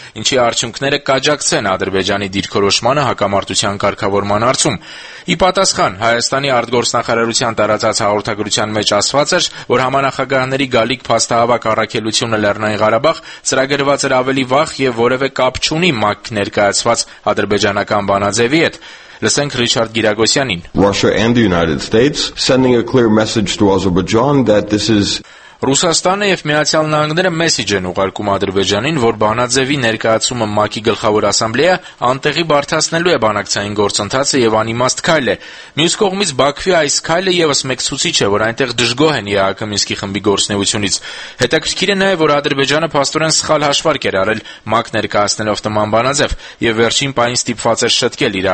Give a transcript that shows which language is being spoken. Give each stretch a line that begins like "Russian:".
Armenian: ինչի արդյունքները կաջակցեն Ադրբեջանի դիրքորոշմանը հակամարտության կարգավորման արդյունքում։ Ի պատասխան Հայաստանի արտգործնախարարության տարածած հաղորդագրության մեջ ասված էր, որ համանախագահների գալիք փաստահավաք առաքելությունը Լեռնային Ղարաբաղ ծրագրված էր ավելի վաղ եւ որևէ կապ չունի ՄԱԿ ներկայացված ադրբեջանական բանաձևի հետ։ Լսենք Ռիչարդ Գիրագոսյանին։
English: Russia and the United States sending a clear message to Azerbaijan that this is
Armenian: Ռուսաստանը եւ Միացյալ Նահանգները մեսիջ են ուղարկում Ադրբեջանին, որ բանաձևի ներկայացումը ՄԱԿ-ի գլխավոր ասամբլեա անտեղի բարձրացնելու է բանակցային գործընթացը եւ անիմաստ քայլ է։ Մյուս կողմից Բաքվի այս քայլը եւս մեկ ցուցիչ է, որ այնտեղ դժգոհ են ԵԱԿ Մինսկի խմբի գործնեությունից։ Հետաքրքիր է նաեւ, որ Ադրբեջանը փաստորեն սխալ հաշվարկ էր արել ՄԱԿ ներկայացնելով նման բանաձև եւ վերջին պահին ստիպված էր շտկել իր